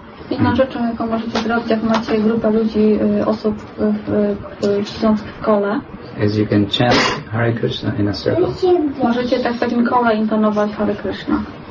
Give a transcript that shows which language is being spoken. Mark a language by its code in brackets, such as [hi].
[pl] Inną rzeczą, jaką możecie zrobić, jak macie grupę ludzi, osób siedzących w kole, [en] is you can chant Hare Krishna in a circle. [pl] Możecie tak w takim kole intonować Hare Krishna.